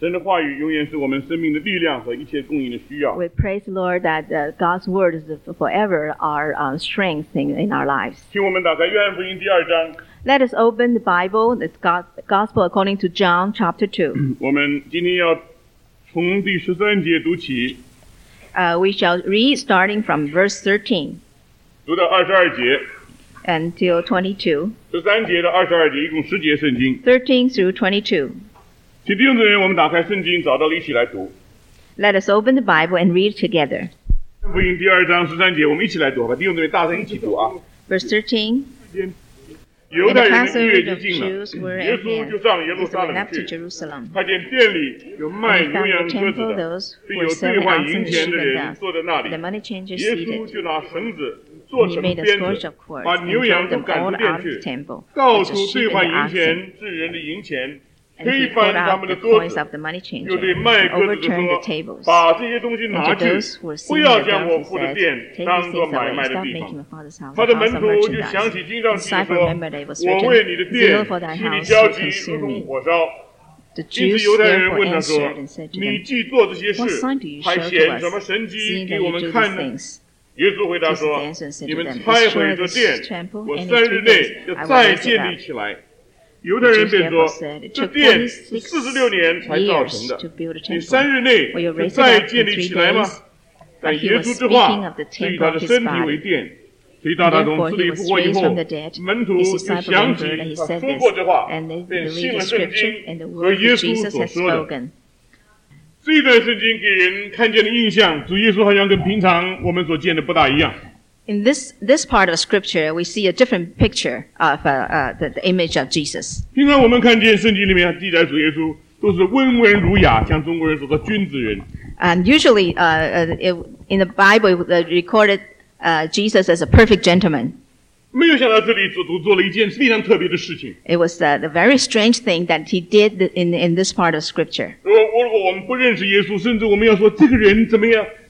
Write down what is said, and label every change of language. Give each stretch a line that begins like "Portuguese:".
Chinese: 神的话语永远是我们生命的力量和一切供应的需要。
English: We praise the Lord that God's word is forever our strength in our lives.
Chinese: 请我们打开约翰福音第二章。
English: Let us open the Bible, the Gospel according to John chapter 2.
Chinese: 我们今天要从第十三节读起。
English: We shall read starting from verse 13.
Chinese: 读到二十二节。
English: Until 22.
Chinese: 十三节到二十二节，一共十节圣经。
English: 13 through 22.
Chinese: 请弟兄姊妹，我们打开圣经，找到了一起来读。
English: Let us open the Bible and read together.
Chinese: 福音第二章十三节，我们一起来读吧。弟兄姊妹，大声一起读啊。
English: Verse 13.
Chinese: 犹太人的逾越节近了，耶稣就上耶路撒冷去，看见店里有卖牛羊鸽子的，并有兑换银钱的人坐在那里。
English: The money changers seated.
Chinese: 耶稣就拿绳子做成鞭子，把牛羊都赶出店去，告诉兑换银钱之人的银钱。
English: And he pulled out the coins of the money changer and overturned the tables. And to those who were selling the goods, he said, take these things away and stop making my father's house a house of merchandise. The disciple remembered that it was written, zeal for thy house will consume me. The Jews therefore answered and said to them, what sign do you show to us, seeing that you do these things?
Chinese: 耶稣回答说，你们拆毁这殿，我三日内就再建立起来。犹太人便说，这殿四十六年才造成的，你三日内就再建立起来吗？但耶稣之话是以他的身体为殿，所以到他从死里复活以后，门徒就想起他说过这话，便信了圣经和耶稣所说的。这段圣经给人看见的印象，主耶稣好像跟平常我们所见的不大一样。
English: In this part of scripture, we see a different picture of the image of Jesus.
Chinese: 平常我们看见圣经里面记载主耶稣都是温文儒雅，像中国人说的君子人。
English: And usually, in the Bible, it recorded Jesus as a perfect gentleman.
Chinese: 没有想到这里主做了一件非常特别的事情。
English: It was a very strange thing that he did in this part of scripture.
Chinese: 如果我们不认识耶稣，甚至我们要说这个人怎么样？